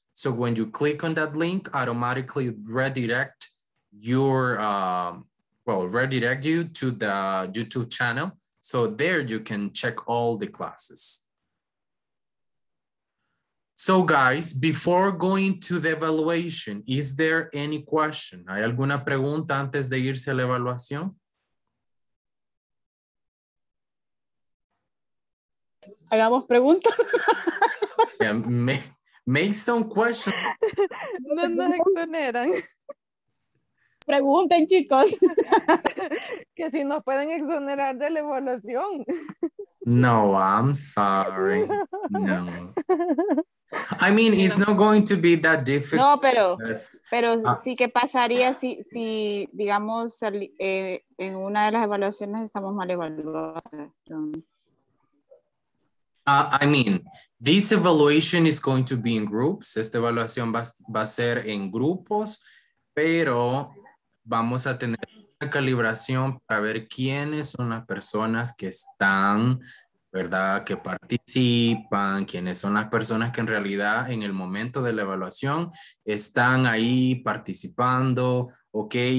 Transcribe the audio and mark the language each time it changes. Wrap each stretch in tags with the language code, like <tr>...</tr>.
<en>So when you click on that link, automatically redirect you to the YouTube channel. So there you can check all the classes. So guys, before going to the evaluation, is there any question?</en> <es>¿Hay alguna pregunta antes de irse a la evaluación? Hagamos preguntas.</es> <en>Yeah, make some questions.</en> <es>No nos exoneran. Pregunten, chicos. Que si nos pueden exonerar de la evaluación.</es> <en>No, I'm sorry. No. I mean, it's not going to be that difficult.</en> <es>No, pero sí que pasaría si digamos, en una de las evaluaciones estamos mal evaluados.</es> <en>I mean, this evaluation is going to be in groups.</en> <es>Esta evaluación va a ser en grupos, pero vamos a tener una calibración para ver quiénes son las personas que están, ¿verdad? Que participan, quiénes son las personas que en realidad en el momento de la evaluación están ahí participando, ¿ok?</es>